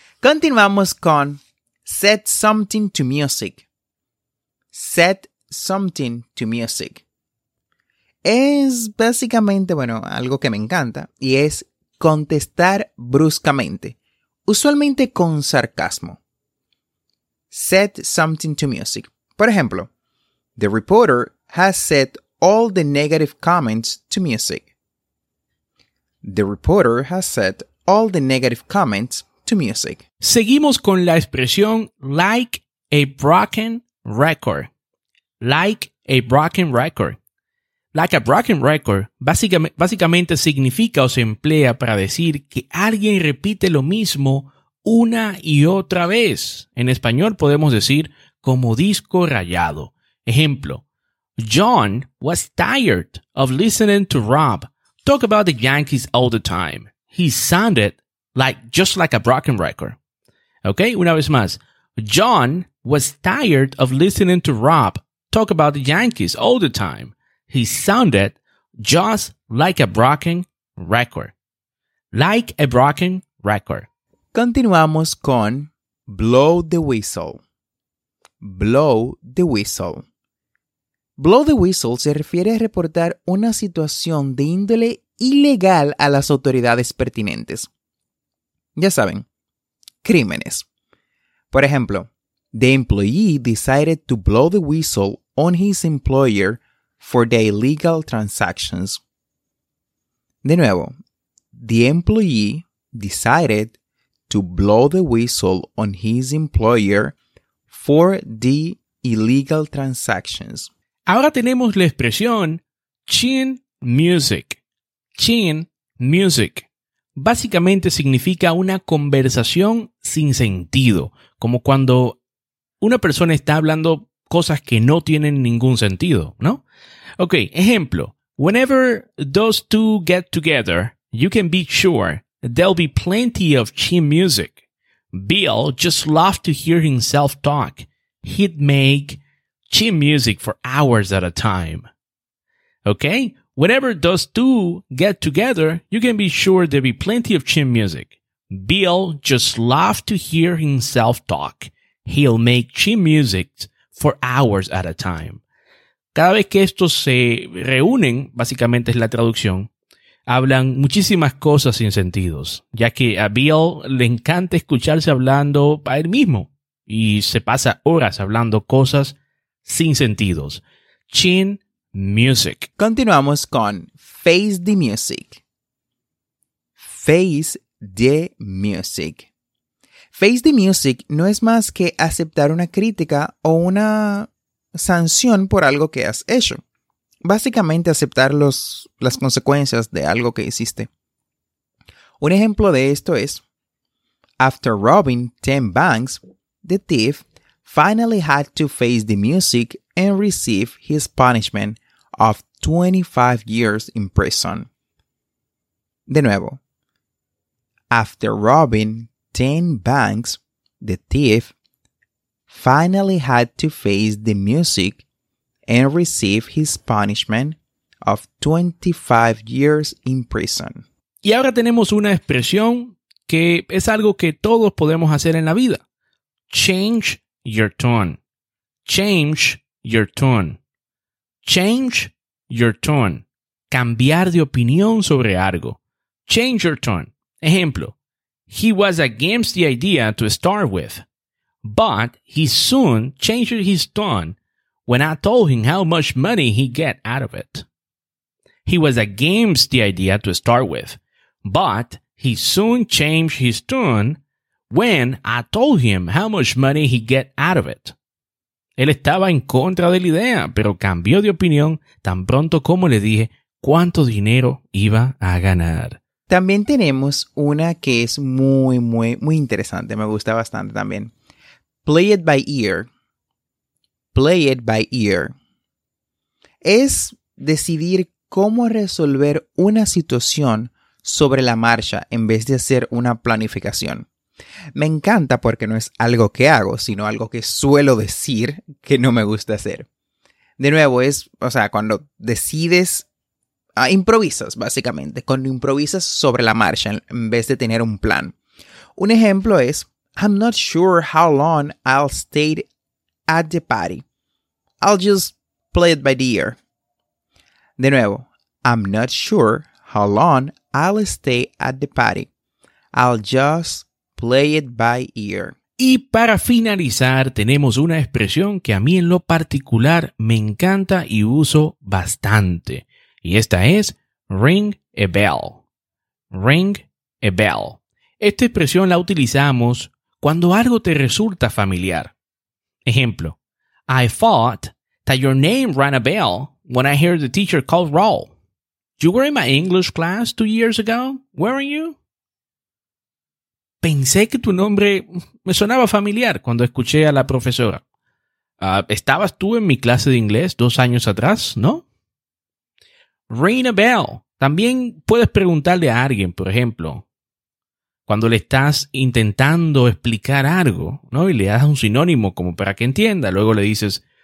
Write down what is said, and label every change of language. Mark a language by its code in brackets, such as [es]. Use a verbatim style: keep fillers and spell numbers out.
[es] Continuamos con [en] set something to music. Set something to music. [es] Es básicamente, bueno, algo que me encanta y es contestar bruscamente, usualmente con sarcasmo. [en] Set something to music. [es] Por ejemplo, [en] the reporter has set all the negative comments to music. The reporter has set all the negative comments to music. [es] Seguimos con la expresión [en] like a broken record. Like a broken record. Like a broken record [es] básicamente, básicamente significa o se emplea para decir que alguien repite lo mismo una y otra vez. En español podemos decir como disco rayado. Ejemplo, [en] John was tired of listening to Rob talk about the Yankees all the time. He sounded like just like a broken record. Okay, [es] una vez más. [en] John was tired of listening to Rob talk about the Yankees all the time. He sounded just like a broken record. Like a broken record. [es] Continuamos con [en] blow the whistle. Blow the whistle. Blow the whistle [es] se refiere a reportar una situación de índole ilegal a las autoridades pertinentes. Ya saben, crímenes. Por ejemplo, [en] the employee decided to blow the whistle on his employer for the illegal transactions. [es] De nuevo, [en] the employee decided to blow the whistle on his employer for the illegal transactions. [es] Ahora tenemos la expresión chin music. Chin music. Básicamente significa una conversación sin sentido, como cuando una persona está hablando cosas que no tienen ningún sentido, ¿no? Ok, ejemplo. [en] Whenever those two get together, you can be sure there'll be plenty of chin music. Bill just loved to hear himself talk. He'd make chin music for hours at a time. Okay? Whenever those two get together, you can be sure there'll be plenty of chin music. Bill just loved to hear himself talk. He'll make chin music for hours at a time. [es] Cada vez que estos se reúnen, básicamente es la traducción, hablan muchísimas cosas sin sentidos, ya que a Bill le encanta escucharse hablando a él mismo y se pasa horas hablando cosas sin sentidos. [en] Chin music. [es] Continuamos con [en] face the music. Face the music. Face the music [es] no es más que aceptar una crítica o una sanción por algo que has hecho. Básicamente aceptar los, las consecuencias de algo que hiciste. Un ejemplo de esto es: [en] After robbing ten banks, the thief finally had to face the music and receive his punishment of twenty-five years in prison. [es] De nuevo. [en] After robbing ten banks, the thief finally had to face the music and receive his punishment of twenty-five years in prison. [es] Y ahora tenemos una expresión que es algo que todos podemos hacer en la vida. [en] Change your tone. Change your tone. Change your tone. [es] Cambiar de opinión sobre algo. [en] Change your tone. [es] Ejemplo. [en] He was against the idea to start with, but he soon changed his tone when I told him how much money he get out of it. He was against the idea to start with, but he soon changed his tone when I told him how much money he get out of it. [es] Él estaba en contra de la idea, pero cambió de opinión tan pronto como le dije cuánto dinero iba a ganar. También tenemos una que es muy, muy, muy interesante. Me gusta bastante también. [en] Play it by ear. Play it by ear. [es] Es decidir cómo resolver una situación sobre la marcha en vez de hacer una planificación. Me encanta porque no es algo que hago, sino algo que suelo decir que no me gusta hacer. De nuevo, es, o sea, cuando decides, uh, improvisas básicamente, cuando improvisas sobre la marcha en vez de tener un plan. Un ejemplo es, [en] I'm not sure how long I'll stay at the party. I'll just play it by the ear. [es] De nuevo, [en] I'm not sure how long I'll stay at the party. I'll just play it by ear. [es] Y para finalizar, tenemos una expresión que a mí en lo particular me encanta y uso bastante. Y esta es [en] ring a bell. Ring a bell. [es] Esta expresión la utilizamos cuando algo te resulta familiar. Ejemplo, [en] I thought that your name rang a bell when I heard the teacher call roll. You were in my English class two years ago, weren't you? [es] Pensé que tu nombre me sonaba familiar cuando escuché a la profesora. Uh, ¿Estabas tú en mi clase de inglés dos años atrás, no? [en] Ring a bell. [es] También puedes preguntarle a alguien, por ejemplo, cuando le estás intentando explicar algo, ¿no? Y le das un sinónimo como para que entienda. Luego le dices,